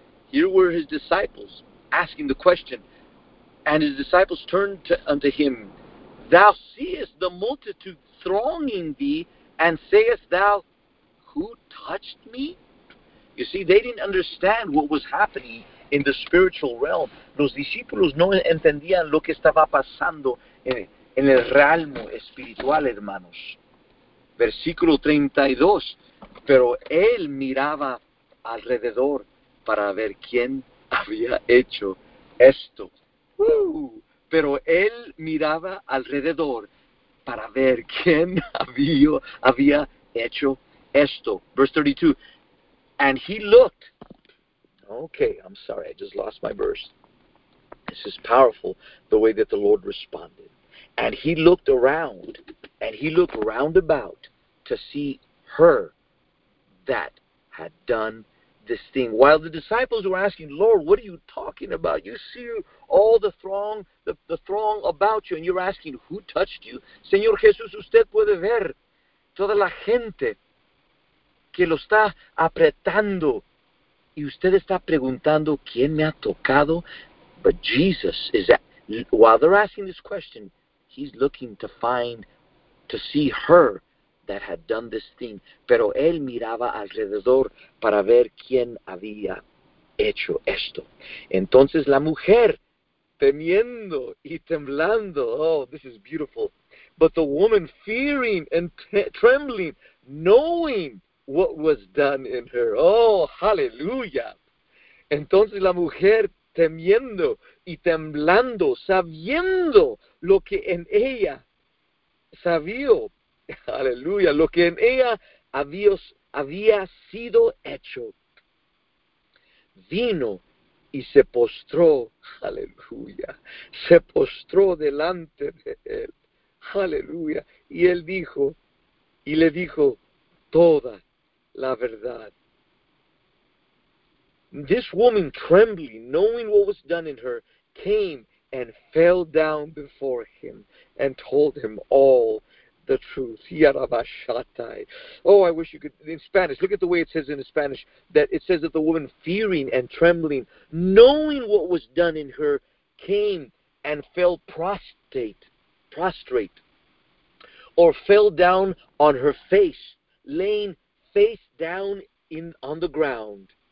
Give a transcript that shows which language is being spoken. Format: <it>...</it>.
<en>Here were his disciples asking the question, and his disciples turned unto him, thou seest the multitude thronging thee, and sayest thou, who touched me? You see, they didn't understand what was happening in the spiritual realm.</en> <es>Los discípulos no entendían lo que estaba pasando en el realmo espiritual, hermanos. Versículo 32. Pero él miraba alrededor para ver quién había hecho esto. Pero él miraba alrededor para ver quién había hecho esto.</es> <en>Verse 32. And he looked. Okay, I'm sorry. I just lost my verse. This is powerful, the way that the Lord responded. And he looked around. And he looked round about to see her that had done this thing. While the disciples were asking, Lord, what are you talking about? You see all the throng, the throng about you, and you're asking, who touched you?</en> <es>Señor Jesús, usted puede ver toda la gente que lo está apretando. Y usted está preguntando, ¿quién me ha tocado?</es> <en>But Jesus is at, while they're asking this question, he's looking to find, to see her that had done this thing.</en> <es>Pero él miraba alrededor para ver quién había hecho esto. Entonces la mujer, temiendo y temblando, oh,</es> <en>this is beautiful. But the woman, fearing and trembling, knowing what was done in her. Oh, hallelujah.</en> <es>Entonces la mujer, temiendo y temblando, sabiendo lo que en ella sabió, aleluya, lo que en ella había sido hecho. Vino y se postró, aleluya, se postró delante de él, aleluya, y él dijo, y le dijo toda la verdad.</es> <en>This woman, trembling, knowing what was done in her, came and fell down before him and told him all the truth. Yarabashatai. Oh, I wish you could, in Spanish, look at the way it says in Spanish, that it says that the woman, fearing and trembling, knowing what was done in her, came and fell prostrate, or fell down on her face, laying face down on the ground.</en>